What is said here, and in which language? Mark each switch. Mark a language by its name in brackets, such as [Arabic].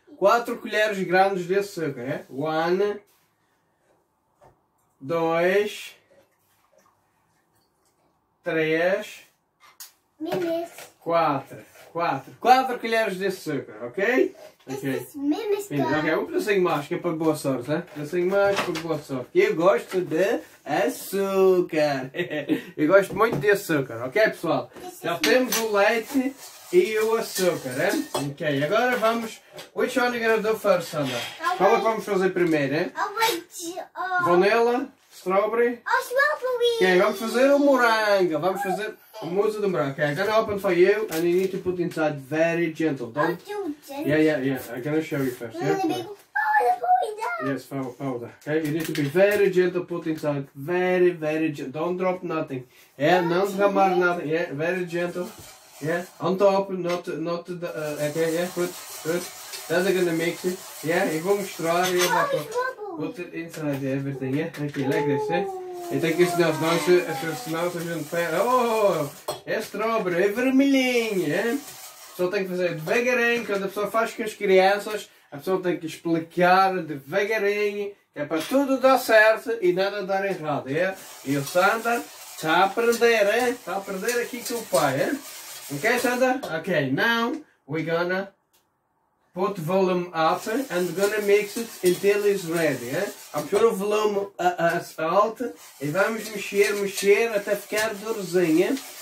[Portuguese] 4 colheres grandes de açúcar, hein? 1, 2, 3, 4, 4 colheres de açúcar, ok? Ok, um pedacinho mais, que é para boa sorte, hein? Um pedacinho mais para boa sorte. Eu gosto de açúcar. Eu gosto muito de açúcar, ok, pessoal? Já temos o leite e o açúcar, hein? Ok, agora vamos... [English] Which one are you going to do first, Sandra? [Portuguese] Qual é que vamos fazer primeiro, hein? [English] Vanilla? Strawberry? Strawberry! [Portuguese] Ok, vamos fazer o morango. Vamos fazer a mousse do morango. [English] Ok, I'm going to open for you and you need to put inside very gentle. Don't... I'm too gentle. Yeah. I'm going to show you first. Yep. Yes, powder. Okay, you need to be very gentle, put inside. Very, very gentle. Don't drop nothing. Yeah, don't hammer nothing. Yeah, very gentle. Yeah, on top, not the, okay, yeah, put. That's gonna mix it. Yeah, you won't straw it. Put it inside everything, yeah? Okay, like this, eh? I think it smells nice. It smells even better. [Portuguese] Oh, é strawberry, é vermelhinho, eh? Só tem que fazer devagarinho. Quando a pessoa faz com as crianças, A pessoa tem que explicar devagarinho, que é para tudo dar certo e nada dar errado, é? E o Sandra está a aprender, é? Está a aprender aqui com o pai, é? Ok, Sandra? [English] Ok, now we're gonna put the volume up and gonna mix it until it's ready, é? [Portuguese] Vamos pôr o volume alto e vamos mexer até ficar durozinho, é?